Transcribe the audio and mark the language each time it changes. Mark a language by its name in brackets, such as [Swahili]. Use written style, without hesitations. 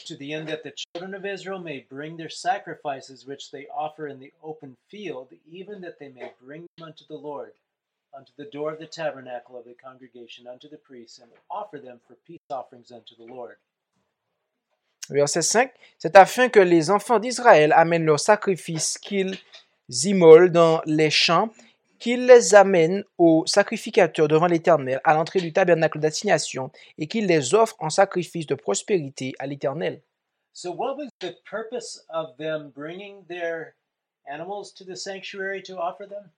[English] To the end that the children of Israel may bring their sacrifices which they offer in the open field, even that they may bring them unto the Lord, unto the door of the tabernacle of the congregation, unto the priests, and offer them for peace offerings unto the Lord. [French] Verset 5. C'est afin que les enfants d'Israël amènent leurs sacrifices qu'ils immolent dans les champs, qu'ils les amènent au sacrificateur devant l'Éternel, à l'entrée du tabernacle d'assignation, et qu'ils les offrent en sacrifice de prospérité à l'Éternel. [English] So what was the purpose of them bringing their animals to the sanctuary to offer them,